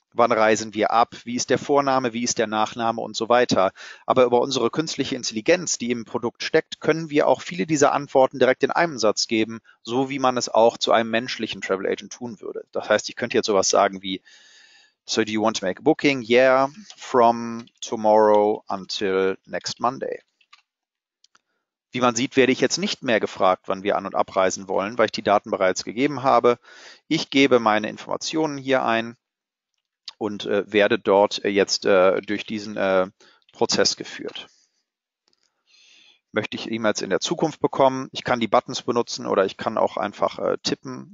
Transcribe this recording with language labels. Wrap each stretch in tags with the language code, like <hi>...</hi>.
<de>Wann reisen wir ab? Wie ist der Vorname? Wie ist der Nachname? Und so weiter. Aber über unsere künstliche Intelligenz, die im Produkt steckt, können wir auch viele dieser Antworten direkt in einem Satz geben, so wie man es auch zu einem menschlichen Travel Agent tun würde. Das heißt, ich könnte jetzt sowas sagen wie,</de> <en>so do you want to make a booking? Yeah, from tomorrow until next Monday.</en> <de>Wie man sieht, werde ich jetzt nicht mehr gefragt, wann wir an- und abreisen wollen, weil ich die Daten bereits gegeben habe. Ich gebe meine Informationen hier ein und werde dort jetzt durch diesen Prozess geführt. Möchte ich E-Mails in der Zukunft bekommen? Ich kann die Buttons benutzen oder ich kann auch einfach tippen.</de>